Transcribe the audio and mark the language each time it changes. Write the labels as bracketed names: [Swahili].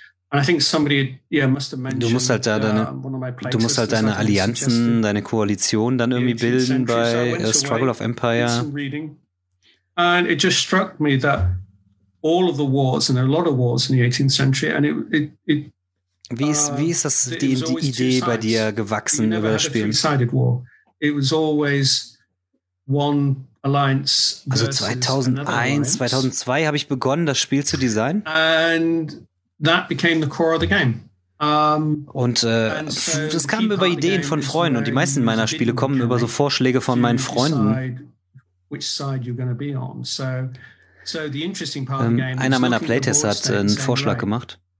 [German] Du musst halt deine Allianzen, deine Koalition dann irgendwie bilden bei Struggle of Empire. [English] And it just struck me that all of the wars, and there are a lot of wars in the 18th century, and it [German] Wie ist das die Idee bei dir gewachsen über das Spiel? [English] It was always one alliance. [German] Also 2001, 2002 habe ich begonnen, das Spiel zu designen. [English] And that became the core of the game. [German] Das kam über Ideen von Freunden und die meisten meiner Spiele kommen über so Vorschläge von meinen Freunden. [English] Which side you're going to be on. So the interesting part of the game. [German] Einer meiner Playtests hat einen Vorschlag gemacht.